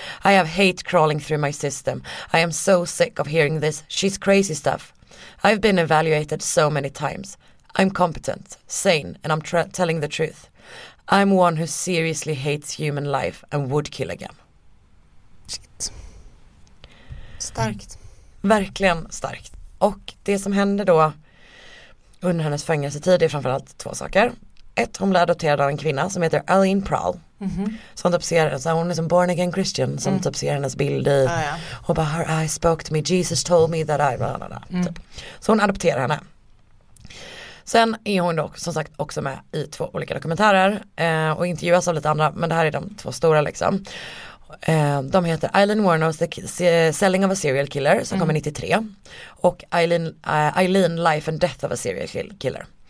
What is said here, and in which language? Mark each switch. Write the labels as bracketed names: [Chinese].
[English] I have hate crawling through my system. I am so sick of hearing this. She's crazy stuff. I've been evaluated so many times. I'm competent, sane, and I'm telling the truth. I'm one who seriously hates human life and would kill again. [Swedish] Shit. Starkt. Verkligen starkt. Och det som hände då under hennes fängelsetid är framförallt två saker. Ett, hon blev adopterad av en kvinna som heter Aline Prowl. Mm-hmm. Som typ ser, så hon är som [English] born again Christian [Swedish] som typ ser hennes bild i. Och bara, [English] her eyes spoke to me, Jesus told me that I... [Swedish] Så hon adopterar henne. Sen är hon dock, som sagt, också med i två olika dokumentärer. Och intervjuas av lite andra, men det här är de två stora liksom. De heter Eileen Warnow's The Selling of a Serial Killer som kommer 93. Och Eileen Life and Death of a Serial Killer.